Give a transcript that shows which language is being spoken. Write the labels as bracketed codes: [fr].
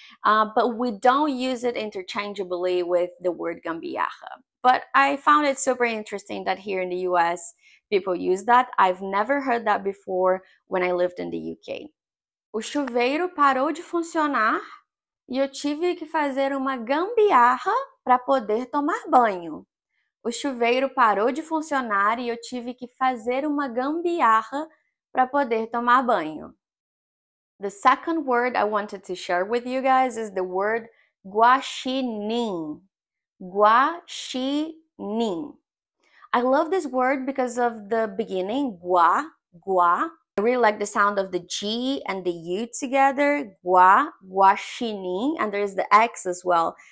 [en] But we don't use it interchangeably with the word gambiarra. But I found it super interesting that here in the US, people use that. I've never heard that before when I lived in the UK. [pt] O chuveiro parou de funcionar e eu tive que fazer uma gambiarra para poder tomar banho. O chuveiro parou de funcionar e eu tive que fazer uma gambiarra para poder tomar banho. [en] The second word I wanted to share with you guys is the word guaxinim. Guaxinim. I love this word because of the beginning, gua, gua. I really like the sound of the G and the U together, gua, guaxinim, and there's the X as well.